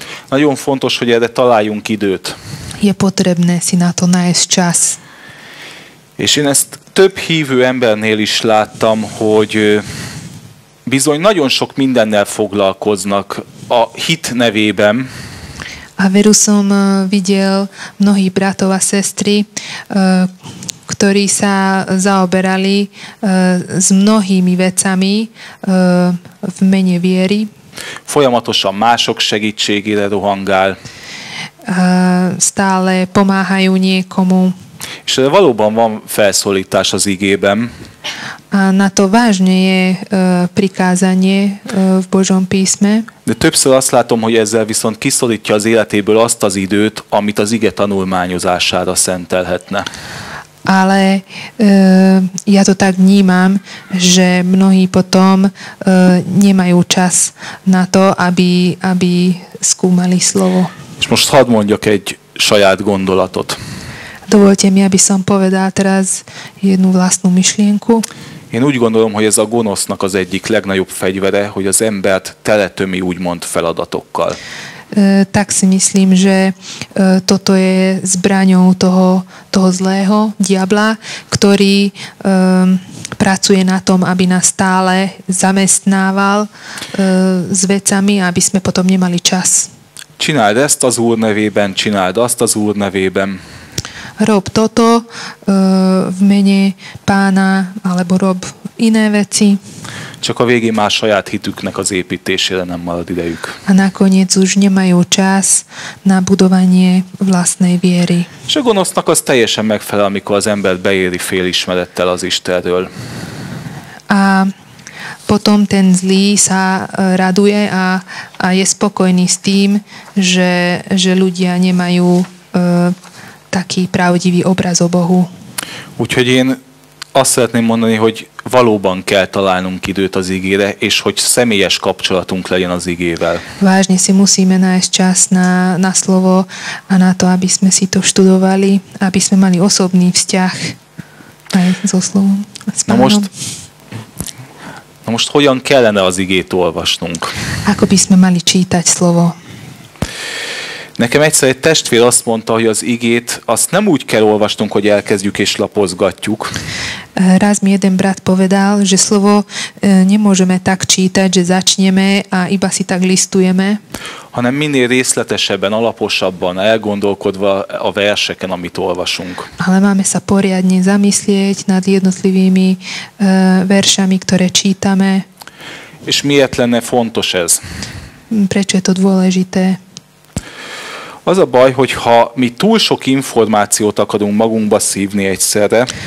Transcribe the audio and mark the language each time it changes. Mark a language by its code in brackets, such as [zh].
[hu] Nagyon fontos, hogy erre találjunk időt. [sk] Je potrebné si na to nájsť čas. [hu] És én ezt több hívő embernél is láttam, hogy bizony nagyon sok mindennel foglalkoznak a hit nevében. [sk] A veru som videl mnohých bratov a sestry, ktorí sa zaoberali s mnohými vecami v mene viery. [hu] Folyamatosan mások segítségére rohangál. [sk] Stále pomáhajú niekomu. [hu] És valóban van felszólítás az igében. [sk] A na to vážne je prikázanie v Božom písme. [hu] De többször azt látom, hogy ezzel viszont kiszorítja az életéből azt az időt, amit az ige tanulmányozására szentelhetne. [sk] Ale ja to tak vnímam, že mnohí potom nemajú čas na to, aby skúmali slovo. [hu] És most hadd mondjak egy saját gondolatot. [sk] Dovolte mi, aby som povedal teraz jednu vlastnú myšlienku. [hu] Én úgy gondolom, hogy ez a gonosznak az egyik legnagyobb fegyvere, hogy az embert teletömi úgymond feladatokkal. [sk] Tak si myslím, že toto je zbraňou toho zlého diabla, ktorý pracuje na tom, aby nás stále zamestnával s vecami, aby sme potom nemali čas. [hu] Csináld ezt az Úr nevében, csináld azt az Úr nevében. [sk] Rob toto v mene pána, alebo rob iné veci. [hu] Csak a végén már saját hitüknek az építésére nem marad idejük. [sk] A nakoniec už nemajú čas na budovanie vlastnej viery. [hu] És a gonosznak az teljesen megfelel, amikor az ember beéri félismerettel az Istenről. [sk] A potom ten zlý sa raduje a je spokojný s tým, že ľudia nemajú taký pravdivý obraz o Bohu. [hu] Úgyhogy én azt szeretném mondani, hogy valóban kell találnunk időt az igére, és hogy személyes kapcsolatunk legyen az igével. [sk] Vážne si musíme nájsť čas na slovo a na to, aby sme si to študovali, aby sme mali osobný vzťah aj so slovom, s pánom. [hu] Na most hogyan kellene az igét olvasnunk? [sk] Ako by sme mali čítať slovo? [hu] Nekem egyszer egy testvér azt mondta, hogy az igét azt nem úgy kell olvasnunk, hogy elkezdjük és lapozgatjuk. [sk] Raz mi jeden brat povedal, že slovo nemôžeme tak čítať, že začneme a iba si tak listujeme. [hu] Hanem minél részletesebben, alaposabban, elgondolkodva a verseken, amit olvasunk. [sk] Ale máme sa poriadne zamyslieť nad jednotlivými veršami, ktoré čítame. [hu] És miért lenne fontos ez? [sk] Prečo je to dôležité? [hu] Az a baj, hogy ha mi túl sok információt akarunk magunkba szívni egyszerre.